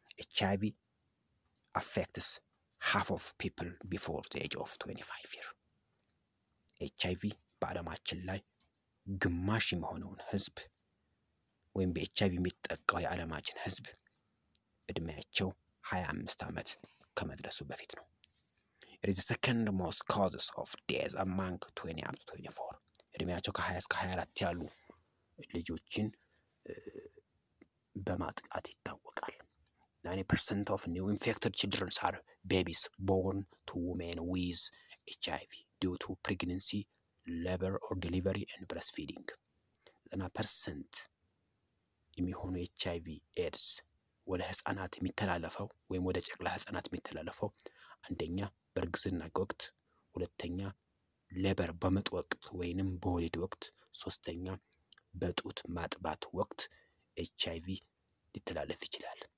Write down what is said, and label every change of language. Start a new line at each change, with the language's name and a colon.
English: HIV አፌክትስ ሃፍ ኦፍ ፒፕል ቢፎር ዘ ኤጅ ኦፍ 25 ይር።
Amharic: HIV በዓለማችን ላይ ግማሽ የሚሆነውን ህዝብ ወይም በHIV የሚጠቃው የዓለማችን ህዝብ እድሜያቸው 25 ዓመት ከመድረሱ በፊት ነው።
English: It is the second most causes of death among 20-24.
Amharic: እድሜያቸው ከ20 እስከ 24 ያሉ ልጆችን በማጥቃት ይታወቃል።
English: 90% of new infected children are babies born to women with HIV due to pregnancy, labor or delivery and breastfeeding.
Amharic: 90% የሚሆኑ HIV AIDS ወደ ህፃናት የሚተላለፈው ወይም ወደ ጨቅላ ህፃናት የሚተላለፈው አንደኛ በእርግዝና ወቅት፣ ሁለተኛ ሌበር በምጥ ወቅት ወይንም በወሊድ ወቅት፣ ሶስተኛ በጡት ማጥባት ወቅት HIV ሊተላለፍ ይችላል።